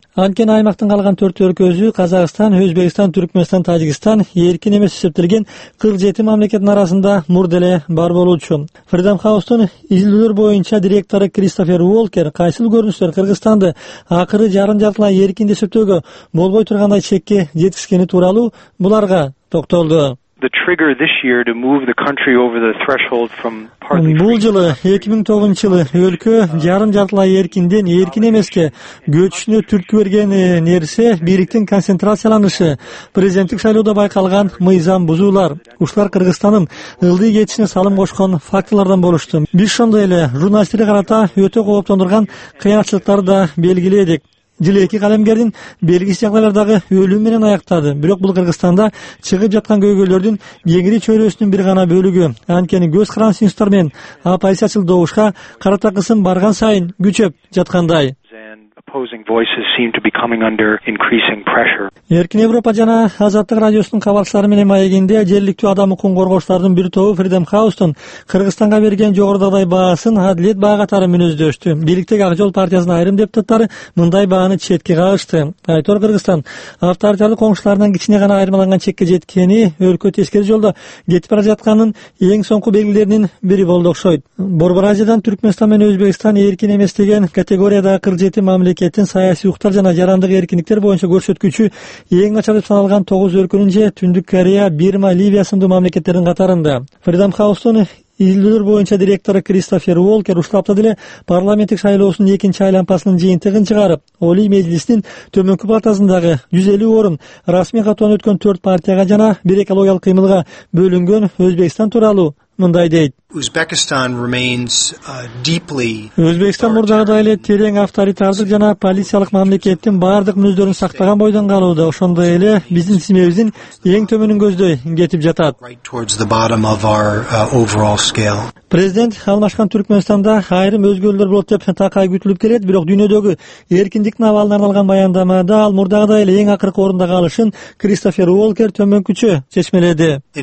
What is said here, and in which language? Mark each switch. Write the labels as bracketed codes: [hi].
[ky] Анткени аймактын калган төрт өлкөсү Казакстан, Өзбекстан, Түркмөнстан, Тажикстан эркин эмес эсептелген 47 мамлекеттин арасында мурда эле бар болуучу. Freedom House'тун изилдөөлөр боюнча директору Кристофер Уолкер кайсыл көрүнүштөр Кыргызстанды акыры жарым жартылай эркин эсептөөгө болбой тургандай чекке жеткизгени тууралуу буларга токтолду. [en] The trigger this year to move the country over the threshold from partly free. [ky] Бул жылы 2009 жылы өлкө жарым жартылай эркинден эркин эмеске көчүшүнө түрткү берген нерсе бийликтин концентрацияланышы, президенттик шайлоодо байкалган мыйзам бузуулар. Ушулар Кыргызстандын ылдый кетишине салым кошкон фактылардан болушту. Биз ошондой эле журналисттерге карата өтө кооптондурган кыянатчылыктарды да белгиледик. Жыл эки калемгердин белгисиз жагдайлардагы өлүм менен аяктады. Бирок бул Кыргызстанда чыгып жаткан көйгөйлөрдүн кеңири чөйрөсүнүн бир гана бөлүгү. Анткени көз каранчы институттар менен оппозициячыл добушка карата кысым барган сайын күчөп жаткандай. [en] Opposing voices seem to be coming under increasing pressure. [ky] Эркин Европа жана Азаттык радиосунун кабарчылары менен маегинде жергиликтүү адам укугун коргоочулардын бир тобу Freedom House'тун Кыргызстанга берген жогорудагы баасын адилет баа катары мүнөздөштү. Бийликтеги Ак жол партиясынын айрым депутаттары мындай бааны четке кагышты. Айтор Кыргызстан авторитардык коңшуларынан кичине гана айырмаланган чекке жеткени өлкө тескери жолдо кетип бара жатканын эң соңку белгилеринин бири болду окшойт. Борбор Азиядан Түркмөнстан менен Өзбекстан эркин эмес деген категориядагы 47 мамлекеттин саясий укуктар жана жарандык эркиндиктер боюнча көрсөткүчү эң начар деп саналган 9 өлкөнүн же Түндүк Корея, Бирма, Ливия сындуу мамлекеттердин катарында. Freedom House'тун изилдөөлөр боюнча директору Кристофер Уолкер ушул апта деле парламенттик шайлоосунун экинчи айлампасынын жыйынтыгын чыгарып, Олий Мэжилистин төмөнкү палатасындагы 150 орун расмий катоон өткөн 4 партияга жана бир экологиялык кыймылга бөлүнгөн Өзбекстан тууралуу мындай дейт. [en] Uzbekistan remains deeply [ky] Uzbekistan мурдагы эле терең авторитардык жана полициялык мамлекеттин бардык мүздөрүн сактаган бойдон калууда. Ошондой эле биздин семебиздин эң төмөнүн көздөй кетип жатат. Президент алмашкан Түркмөнстанда айрым өзгөрүүлөр болот деп такай күтүлүп келет, бирок дүйнөдөгү эркиндиктин абалына арналган баяндамада ал мурдагыдай эле эң акыркы орунда калышын Кристофер Уолкер төмөнкүчө чечмеледи.